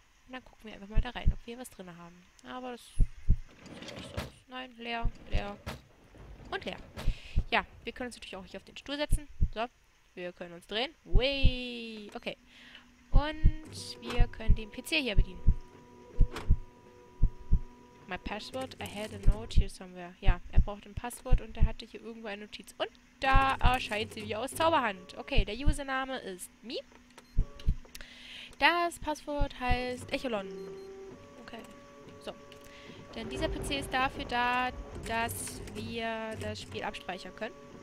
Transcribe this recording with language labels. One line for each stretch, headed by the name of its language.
German: Dann gucken wir einfach mal da rein, ob wir was drin haben. Aber das sieht nicht so aus. Nein, leer, leer und leer. Ja, wir können uns natürlich auch hier auf den Stuhl setzen. So, wir können uns drehen. Wey, okay. Und wir können den PC hier bedienen.
English: My password, I had a note here somewhere.
German: Ja, er braucht ein Passwort und er hatte hier irgendwo eine Notiz. Und da erscheint sie wie aus Zauberhand. Okay, der Username ist Mi. Das Passwort heißt Echolon. Okay. So. Denn dieser PC ist dafür da, dass wir das Spiel abspeichern können.